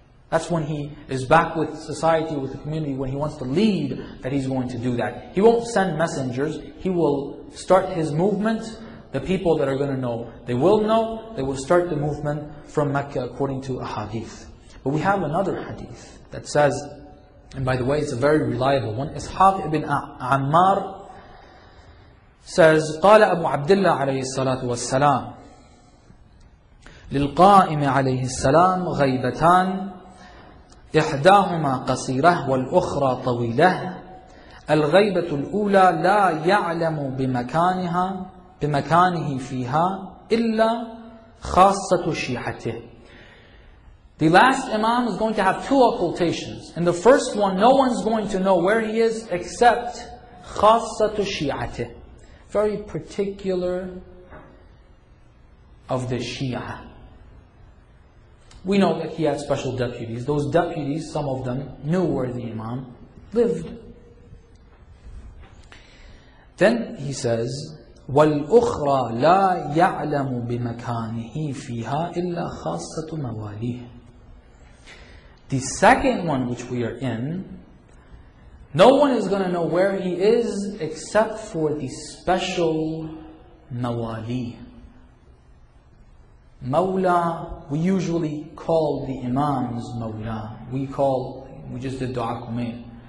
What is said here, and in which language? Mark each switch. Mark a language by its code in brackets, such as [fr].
[en] That's when he is back with society, with the community, when he wants to lead, that he's going to do that. He won't send messengers. He will start his movement. The people that are going to know. They will start the movement from Mecca according to a hadith. But we have another hadith that says, and by the way, it's a very reliable one. Ishaq ibn Ammar says, [ar] قال أبو عبد الله عليه الصلاة والسلام للقائم عليه السلام غيبتان إحداهما قصيرة والأخرى طويلة الغيبة الأولى لا يعلم بمكانه فيها إلا خاصة شيعته. [en] The last Imam is going to have two occultations. In the first one, no one's going to know where he is except [ar] خَاصَّةُ شِيعَةِ. [en] Very particular of the Shia. We know that he had special deputies. Those deputies, some of them, knew where the Imam lived. Then he says, [ar] وَالْأُخْرَى لَا يَعْلَمُ بِمَكَانِهِ فِيهَا إِلَّا خَاصَّةُ مَوَالِيهِ. [en] The second one which we are in, no one is going to know where he is except for the special mawali. Mawla, we usually call the Imams mawla. We just did dua kumain.